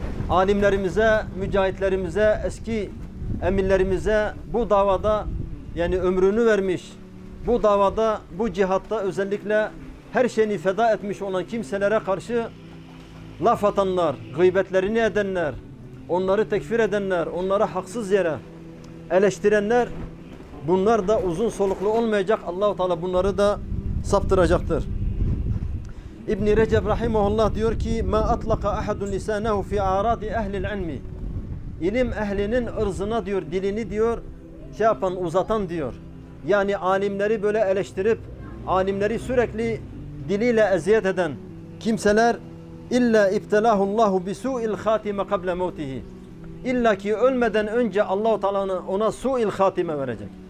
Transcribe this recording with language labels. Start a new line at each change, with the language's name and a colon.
Turkish: Alimlerimize, mücahitlerimize, eski emirlerimize bu davada yani ömrünü vermiş, bu davada, bu cihatta özellikle her şeyini feda etmiş olan kimselere karşı laf atanlar, gıybetlerini edenler, onları tekfir edenler, onları haksız yere eleştirenler, bunlar da uzun soluklu olmayacak. Allah-u Teala bunları da saptıracaktır. İbn-i Recep Rahimahullah diyor ki
Arabic: مَا أَطْلَقَ أَحَدُ لِسَانَهُ فِي عَارَضِ اَهْلِ الْعِلْمِ.
Turkish: İlim ehlinin ırzına diyor, dilini diyor, şey yapan, uzatan diyor. Yani alimleri böyle eleştirip, alimleri sürekli diliyle eziyet eden kimseler illa
Arabic: اِبْتَلَاهُ اللّٰهُ بِسُوءِ الْخَاتِمَ قَبْلَ مَوْتِهِ.
Turkish: İlla ki ölmeden önce Allah-u Teala ona su'i l-khatime verecek.